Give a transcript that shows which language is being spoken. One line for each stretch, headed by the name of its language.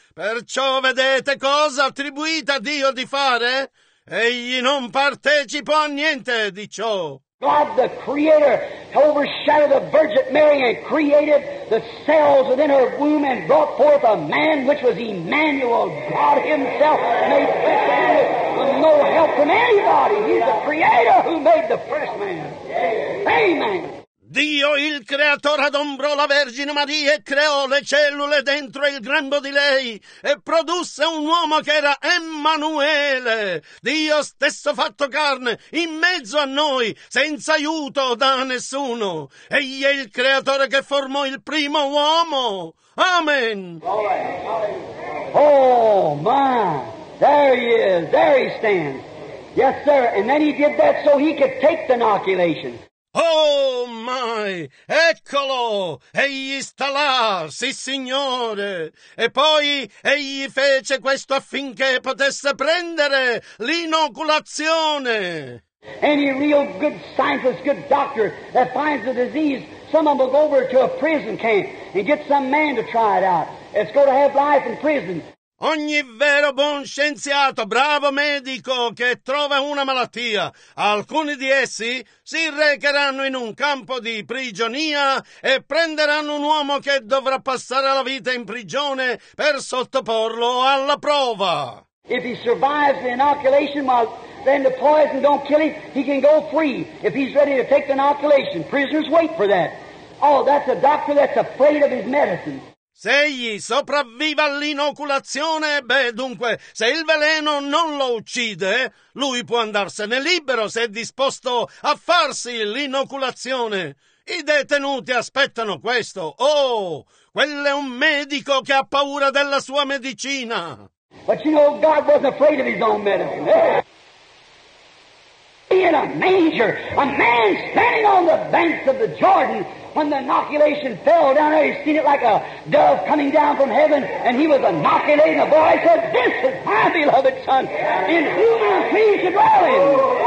Italian: Perciò vedete cosa attribuite a Dio di fare? Egli non partecipò a niente di ciò.
English: God the Creator overshadowed the Virgin Mary and created the cells within her womb and brought forth a man which was Emmanuel, God Himself, made flesh and with no help from anybody. He's the Creator who made the first man. Amen.
Italian: Dio il creatore adombrò la Vergine Maria e creò le cellule dentro il grembo di lei e produsse un uomo che era Emmanuele, Dio stesso fatto carne, in mezzo a noi, senza aiuto da nessuno. Egli è il creatore che formò il primo uomo. Amen.
English: Oh, man, there he is, there he stands. Yes, sir, and then he did that so he could take the inoculation. Oh, my!
Italian: Eccolo! Egli sta là, sì, signore! E poi egli fece questo affinché potesse prendere l'inoculazione!
English: Any real good scientist, good doctor that finds the disease, some of them will go over to a prison camp and get some man to try it out. It's going to have life in prison.
Italian: Ogni vero buon scienziato, bravo medico, che trova una malattia, alcuni di essi si recheranno in un campo di prigionia e prenderanno un uomo che dovrà passare la vita in prigione per sottoporlo alla prova.
English: If he survives the inoculation, well, then the poison don't kill him, he can go free. If he's ready to take the inoculation, prisoners wait for that. Oh, that's a doctor that's afraid of his medicine.
Italian: Se egli sopravvive all'inoculazione, beh, dunque, se il veleno non lo uccide, lui può andarsene libero se è disposto a farsi l'inoculazione. I detenuti aspettano questo. Oh, quello è un medico che ha paura della sua medicina.
English: But you know, God wasn't afraid of his own medicine. In a manger, a man standing on the banks of the Jordan, when the inoculation fell down there, he seen it like a dove coming down from heaven, and he was inoculated, and the boy said, this is my beloved son, in whom I'm pleased to dwell in.